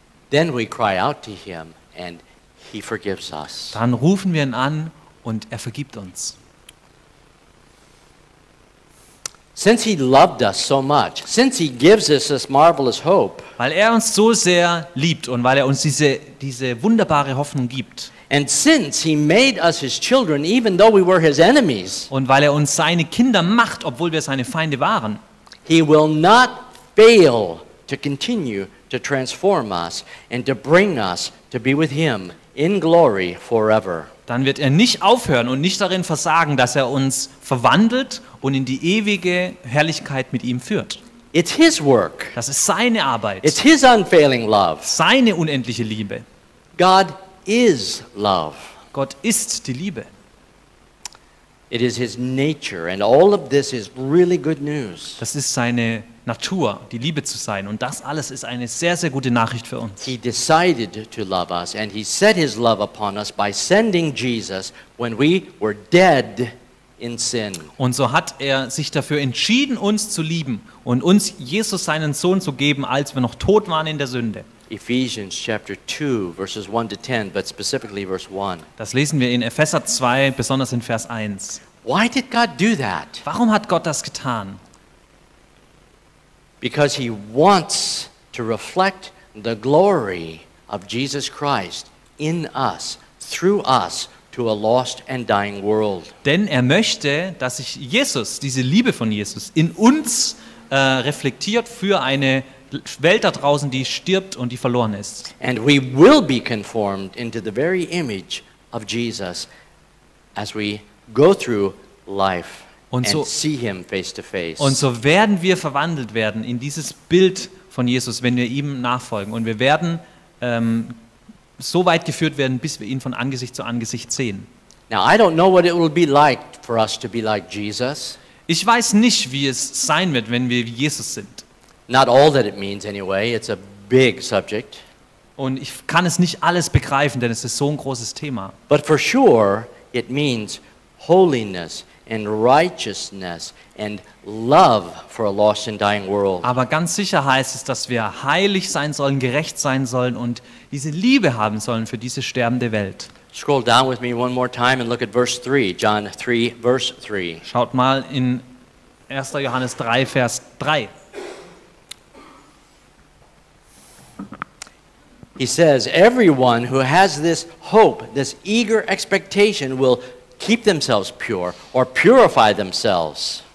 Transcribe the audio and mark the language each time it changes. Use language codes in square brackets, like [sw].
[en] Then we cry out to him and he forgives us. [de] Dann rufen wir ihn an und er vergibt uns. [en] Since he loved us so much, since he gives us this marvelous hope. [de] Weil uns so sehr liebt und weil uns diese wunderbare Hoffnung gibt. [en] And since he made us his children even though we were his enemies. [de] Und weil uns seine Kinder macht, obwohl wir seine Feinde waren. [en] He will not fail to continue to transform us and to bring us to be with him in glory forever. [de] Dann wird er nicht aufhören und nicht darin versagen, dass er uns verwandelt und in die ewige Herrlichkeit mit ihm führt. [en] It's his work. [de] Das ist seine Arbeit. [en] It's his unfailing love. [de] Seine unendliche Liebe. [en] God is love. [de] Gott ist die Liebe. [en] It is his nature and all of this is really good news. [de] Das ist seine Natur, die Liebe zu sein und das alles ist eine sehr sehr gute Nachricht für uns. [en] He decided to love us and he set his love upon us by sending Jesus when we were dead in sin. [de] Und so hat er sich dafür entschieden uns zu lieben und uns Jesus seinen Sohn zu geben, als wir noch tot waren in der Sünde. [en] Ephesians chapter 2 verses 1 to 10 but specifically verse 1. [de] Das lesen wir in Epheser 2 besonders in Vers 1. [en] Why did God do that? [de] Warum hat Gott das getan? [en] Because he wants to reflect the glory of Jesus Christ in us through us to a lost and dying world. [de] Denn möchte, dass sich Jesus, diese Liebe von Jesus in uns reflektiert für eine Welt da draußen, die stirbt und die verloren ist. [en] And we will be conformed into the very image of Jesus as we go through life. [de] Und so, [en] and see him face to face. [de] Und so werden wir verwandelt werden in dieses Bild von Jesus, wenn wir ihm nachfolgen. Und wir werden so weit geführt werden, bis wir ihn von Angesicht zu Angesicht sehen. [en] Now I don't know what it will be like for us to be like Jesus. [de] Ich weiß nicht, wie es sein wird, wenn wir Jesus sind. [en] Not all that it means anyway. It's a big subject. [de] Und ich kann es nicht alles begreifen, denn es ist so ein großes Thema. [en] But for sure, it means holiness and righteousness and love for a lost and dying world. [de] Aber ganz sicher heißt es, dass wir heilig sein sollen, gerecht sein sollen und diese Liebe haben sollen für diese sterbende Welt. [en] Scroll down with me one more time and look at verse 3, John 3, verse 3. [de] Schaut mal in 1. Johannes 3, Vers 3. [en] He says, everyone who has this hope, this eager expectation will keep themselves pure or purify themselves.